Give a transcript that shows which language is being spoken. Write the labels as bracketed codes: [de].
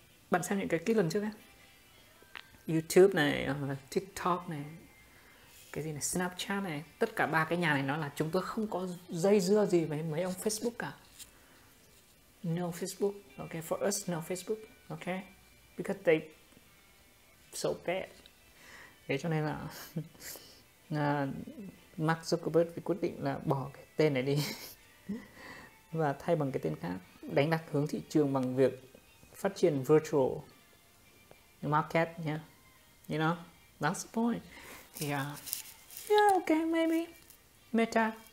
[vi] Bạn xem những cái clip lần trước ấy, YouTube này, TikTok này, cái gì này, Snapchat này, tất cả ba cái nhà này nói là chúng tôi không có dây dưa gì với mấy ông Facebook cả. [en] No Facebook, okay, for us no Facebook, okay, because they so bad. [vi] Thế cho nên là Mark Zuckerberg thì quyết định là bỏ cái tên này đi và thay bằng cái tên khác, đánh lạc hướng thị trường bằng việc phát triển virtual market nhé. [en] Yeah. You know, that's the point. Yeah, yeah, okay, maybe. Meta.